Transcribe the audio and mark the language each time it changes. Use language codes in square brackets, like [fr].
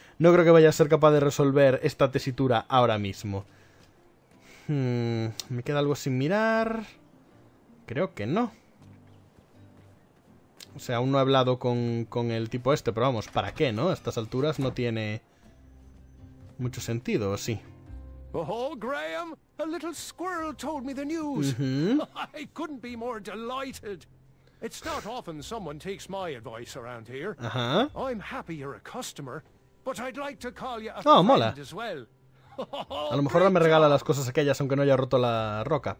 [es] No creo que vaya a ser capaz de resolver esta tesitura ahora mismo. ¿Me queda algo sin mirar? Creo que no. O sea, aún no he hablado con el tipo este, pero vamos, ¿para qué, no? A estas alturas no tiene mucho sentido, ¿o sí? [en] Oh, Graham, a little squirrel told me the news. Uh-huh. I couldn't be more delighted. It's not often someone takes my advice around here. Uh-huh. I'm happy you're a customer, but I'd like to call you a friend as well. [es] A lo mejor no me regala las cosas aquellas aunque no haya roto la roca.